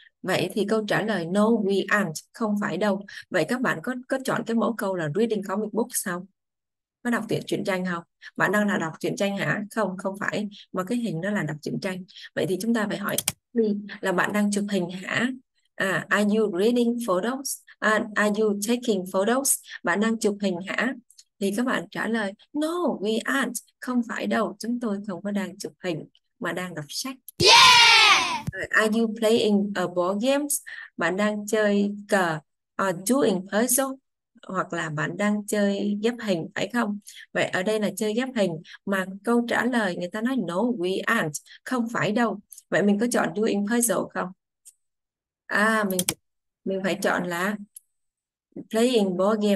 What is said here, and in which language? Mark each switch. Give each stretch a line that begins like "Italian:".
Vietnamese: Vậy thì câu trả lời
English: no we aren't,
Vietnamese: không phải đâu. Vậy các bạn có chọn cái mẫu câu là reading comic book không? Có đọc truyện truyện tranh không? Bạn đang là đọc truyện tranh hả? Không, không phải. Mà cái hình đó là đọc truyện tranh. Vậy thì chúng ta phải hỏi đi là bạn đang chụp hình hả?
English: À, are you reading photos? Are you taking photos?
Vietnamese: Bạn đang chụp hình hả? Thì các bạn trả lời
English: no we aren't,
Vietnamese: không phải đâu, chúng tôi không có đang chụp hình mà đang đọc sách.
English: Are you playing a board games?
Vietnamese: Bạn đang chơi cờ, doing puzzle, hoặc là bạn đang chơi ghép hình phải không? Vậy ở đây là chơi ghép hình mà câu trả lời người ta nói
English: no we aren't,
Vietnamese: không phải đâu. Vậy mình có chọn doing puzzle không? À, mình phải chọn là playing board game.